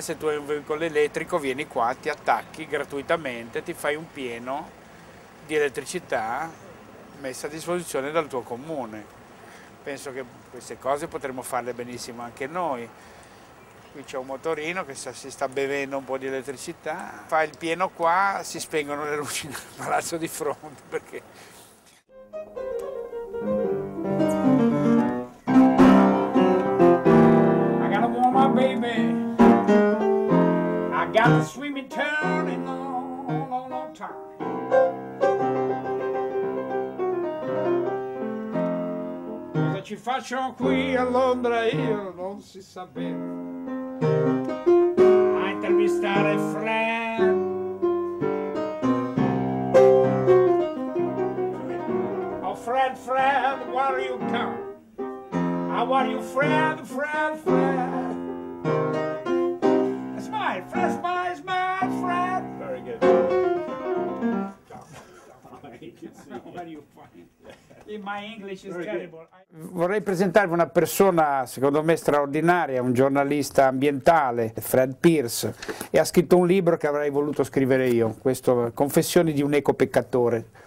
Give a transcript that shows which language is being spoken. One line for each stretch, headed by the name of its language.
Italian: Se tu hai un veicolo elettrico, vieni qua, ti attacchi gratuitamente, ti fai un pieno di elettricità messa a disposizione dal tuo comune. penso che queste cose potremmo farle benissimo anche noi. Qui c'è un motorino che si sta bevendo un po' di elettricità, fa il pieno qua, si spengono le luci nel palazzo di fronte, perché...
English: I got a woman, baby, I got the swimming turning on all the time.
Italian: Cosa ci faccio qui a Londra, io non si sa bene, a intervistare Fred.
English: Fred, Fred, where you come? I want you, Fred, Fred, Fred. Smile, Fred, smile, smile, Fred. Very good. Where you find? My English is very terrible. Good.
Italian: Vorrei presentarvi una persona, secondo me, straordinaria, un giornalista ambientale, Fred Pierce, e ha scritto un libro che avrei voluto scrivere io, questo Confessioni di un eco peccatore.